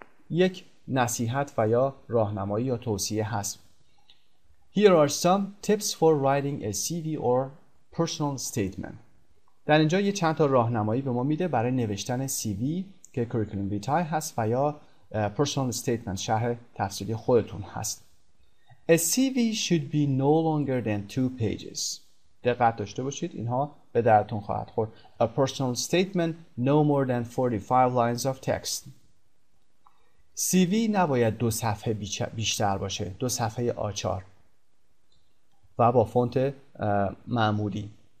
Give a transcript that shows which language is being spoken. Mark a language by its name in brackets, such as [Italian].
[Persian] یک نصیحت و یا راهنمایی یا توصیه هست. [English] Here are some tips for writing a CV or personal statement. [Persian] در اینجا یه چند تا راهنمایی به ما میده برای نوشتن CV که curriculum vitae هست و یا personal statement شرح تفصیلی خودتون هست. [English] A CV should be no longer than 2 pages. [Persian] دقت داشته باشید اینها به دردتون خواهد خورد. [English] A personal statement no more than 45 lines of text. [Persian] CV نباید 2 صفحه بیشتر باشه. 2 صفحه A4 و با فونت معمولی.